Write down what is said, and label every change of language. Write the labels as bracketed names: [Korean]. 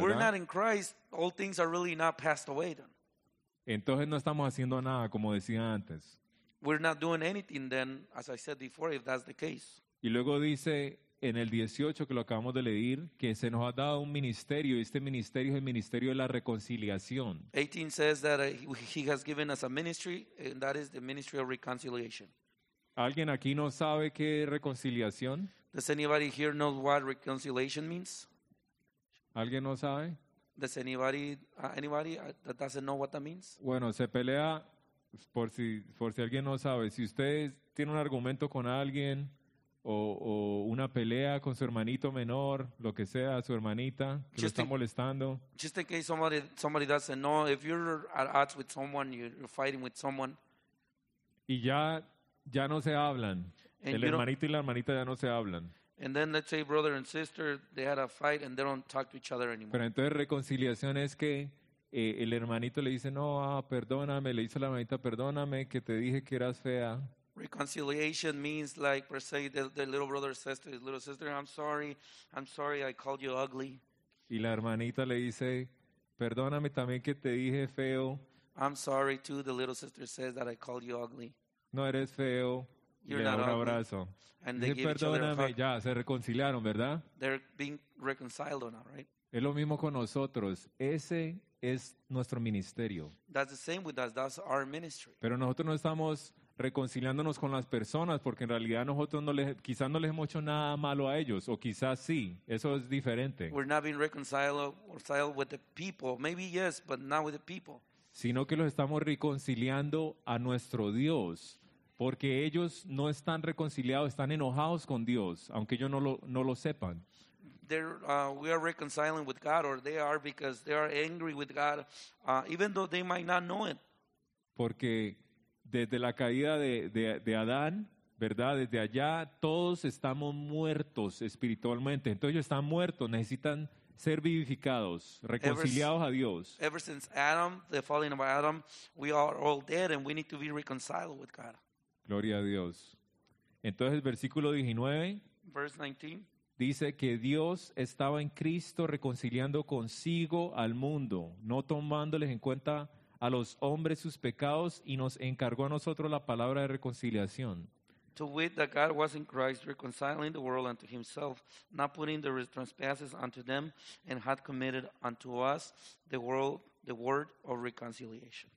[English] If we're not in Christ, all things are really not passed away then. [Spanish] Entonces no estamos haciendo nada, como decía antes. [English] We're not doing anything then, as I said before, if that's the case. [Spanish] Y luego dice en el 18 que lo acabamos de leer que se nos ha dado un ministerio y este ministerio es el ministerio de la reconciliación. [English] 18 says that he has given us a ministry and that is the ministry of reconciliation. [Spanish] ¿Alguien aquí no sabe qué es reconciliación? [English] Does anybody here know what reconciliation means? [Spanish] ¿Alguien no sabe? [English] Does anybody that doesn't know what that means? [Spanish] Bueno, se pelea. Por si alguien no sabe, si usted tiene un argumento con alguien o una pelea con su hermanito menor, lo que sea, su hermanita que lo está molestando. [English] Just in case somebody doesn't know, if you're at odds with someone, you're fighting with someone. [Spanish] Y ya no se hablan. El hermanito y la hermanita ya no se hablan. [English] And then let's say brother and sister, they had a fight and they don't talk to each other anymore. [Spanish] Pero entonces reconciliación es que el hermanito le dice, perdóname, le dice a la hermanita, perdóname, que te dije que eras fea. [English] Reconciliation means like, per se, the little brother says to his little sister, I'm sorry, I called you ugly. [Spanish] Y la hermanita le dice, perdóname también que te dije feo. [English] I'm sorry too, the little sister says that I called you ugly. [Spanish] No eres feo. [English] You're [Spanish] le [English] not [Spanish] da un [English] ugly. [Spanish] Abrazo. [English] And they give each other a hug. [Spanish] Ya, se reconciliaron, ¿verdad? [English] They're being reconciled now, right? [Spanish] Es lo mismo con nosotros. Ese es nuestro ministerio. [English] That's the same with us. That's our ministry. [Spanish] Pero nosotros no estamos reconciliándonos con las personas porque en realidad nosotros quizás no les hemos hecho nada malo a ellos, o quizás sí. Eso es diferente. [English] We're not being reconciled with the people. Maybe yes, but not with the people. [Spanish] Sino que los estamos reconciliando a nuestro Dios, porque ellos no están reconciliados, están enojados con Dios, aunque ellos no lo sepan. [English] We are reconciling with God, or they are, because they are angry with God, even though they might not know it. [Spanish] Porque desde la caída de Adán, ¿verdad? Desde allá todos estamos muertos espiritualmente. Entonces ellos están muertos, necesitan ser vivificados, reconciliados a Dios. [English] Ever since Adam, the falling of Adam, we are all dead and we need to be reconciled with God. [Spanish] Gloria a Dios. Entonces el versículo 19 dice que Dios estaba en Cristo reconciliando consigo al mundo, no tomándoles en cuenta a los hombres sus pecados, y nos encargó a nosotros la palabra de reconciliación. [English] To wit, that God was in Christ reconciling the world unto himself, not putting the trespasses unto them, and had committed unto us the word of reconciliation.